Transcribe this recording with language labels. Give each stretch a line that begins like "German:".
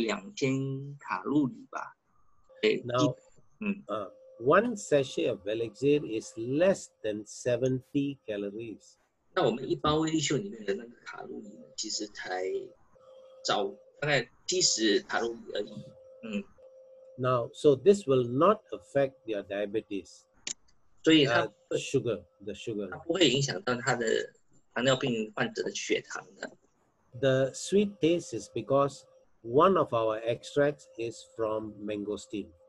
Chinese: 那其实，一个那些很高糖尿病患者呢，一些很糟糕的情况哈，他们也需要1500到2000卡路里吧。对，那
English: One sachet of Velixir is less than 70 calories.
Chinese: 那我们一包威力秀里面的那个卡路里，其实才少大概70卡路里而已。
English: Now, so this will not affect your diabetes. So, the sweet taste is because one of our extracts is from mangosteen.